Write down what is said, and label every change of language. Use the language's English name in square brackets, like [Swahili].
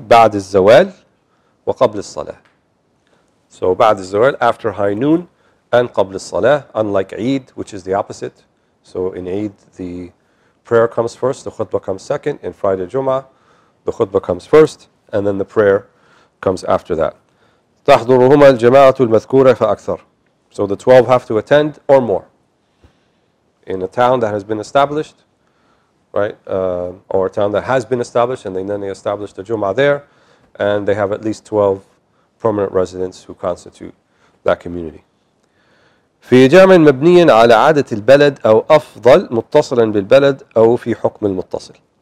[Arabic] بعد الزوال وقبل الصلاة. [English] So [Arabic] بعد الزوال, [English] after high noon, and [Arabic] قبل الصلاة, [English] unlike Eid, which is the opposite. So in Eid, the prayer comes first, the khutbah comes second. In Friday, Jummah, the khutbah comes first, and then the prayer comes after that. [Arabic] تحضرهما الجماعة المذكورة فأكثر. [English] So the 12 have to attend or more. In a town that has been established, right, or a town that has been established, and then they establish the Jummah there, and they have at least 12 permanent residents who constitute that community. [Arabic] في جامع مبني على عادة البلد أو أفضل متصلا بالبلد أو في حكم المتصل.